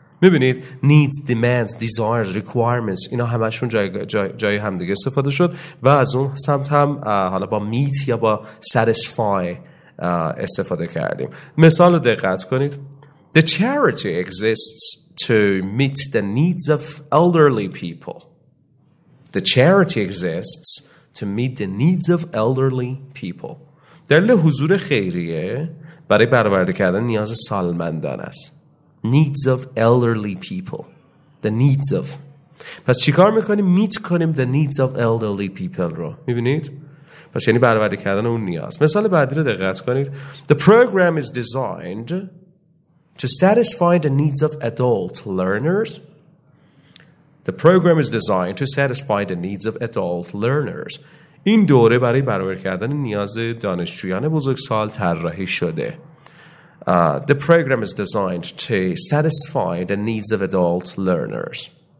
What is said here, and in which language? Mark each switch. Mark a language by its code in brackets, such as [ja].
[fa] میبینید [en] needs, demands, desires, requirements [fa] اینا همشون جای هم دیگه استفاده شد و از اون سمت هم حالا با meet یا با satisfy استفاده کردیم. مثال رو دقت کنید. [en] The charity exists to meet the needs of elderly people. The charity exists to meet the needs of elderly people. [fa] دلیل حضور خیریه برای برآورده کردن نیاز سالمندان است. [en] Needs of elderly people. The needs of. [fa] پس چیکار میکنیم؟ [en] Meet کنیم the needs of elderly people رو. [fa] میبینید؟ پس یعنی برآورده کردن اون نیاز. مثال بعدی رو دقت کنید. [en] The program is designed to satisfy the needs of adult learners. The program is designed to satisfy the needs of adult learners. [fa] این دوره برای برآورده کردن نیاز دانشجویان بزرگسال طراحی شده. [en] The program is designed to satisfy the needs of adult learners.